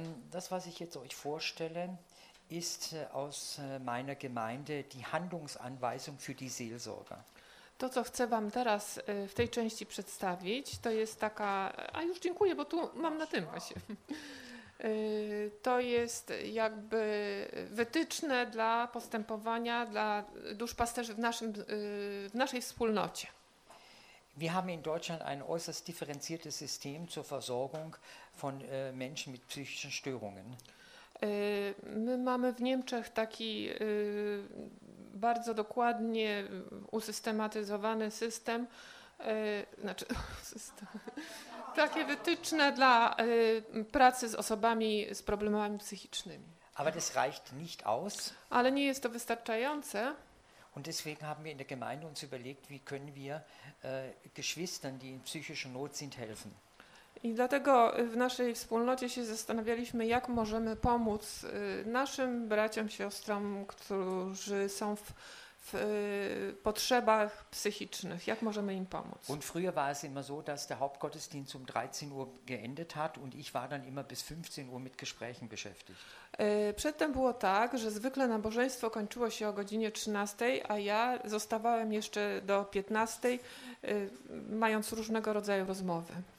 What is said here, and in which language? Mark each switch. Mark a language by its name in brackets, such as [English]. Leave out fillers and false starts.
[German] Das, was ich jetzt euch vorstelle, ist aus meiner Gemeinde die Handlungsanweisung für die Seelsorger. [Polish] To, co chcę Wam teraz w tej części przedstawić, to jest taka, a już dziękuję, bo tu mam na tym właśnie. To jest jakby wytyczne dla postępowania dla duszpasterzy w naszej wspólnocie. [German] Wir haben in Deutschland ein äußerst differenziertes System zur Versorgung von Menschen mit psychischen Störungen. [Polish] My mamy w Niemczech taki bardzo dokładnie usystematyzowany system, znaczy system, takie wytyczne dla pracy z osobami z problemami psychicznymi. [German] Aber das reicht nicht aus. [Polish] Ale nie jest to wystarczające. [German] Und deswegen haben wir in der Gemeinde uns überlegt, wie können wir Geschwistern, die in psychischer Not sind, helfen. [Polish] I dlatego w naszej wspólnocie się zastanawialiśmy, jak możemy pomóc naszym braciom, siostrom, którzy są w potrzebach psychicznych, jak możemy im pomóc. [German] Und früher war es immer so, dass der Hauptgottesdienst um 13 Uhr geendet hat und ich war dann immer bis 15 Uhr mit Gesprächen beschäftigt. [Polish] Przedtem było tak, że zwykle nabożeństwo kończyło się o godzinie 13, a ja zostawałem jeszcze do 15, mając różnego rodzaju rozmowy.